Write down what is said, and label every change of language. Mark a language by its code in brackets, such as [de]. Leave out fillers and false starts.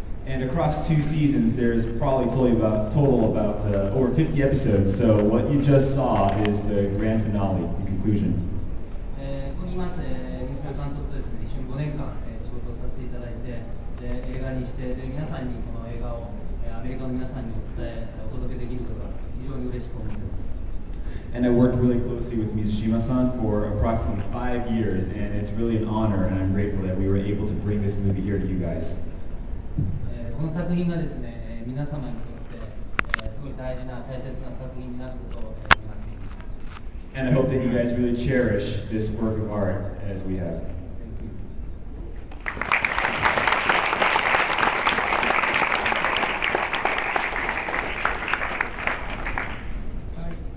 [en] And across two seasons, there's probably total about over 50 episodes. So what you just saw is the grand finale, the conclusion. [ja] 水島監督とですね、一緒に5年間、仕事をさせていただいて、で映画にしてで、皆さんにこの映画を、アメリカの皆さんにお伝え、お届けできることが非常に嬉しく思っています。 [en] And I worked really closely with Mizushima-san for approximately 5 years, and it's really an honor, and I'm grateful that we were able to bring this movie here to you guys. [ja] この作品がですね、皆様にとって、すごい大事な、大切な作品になることを、 [en] And I hope that you guys really cherish this work of art as we have. Thank you. Hi.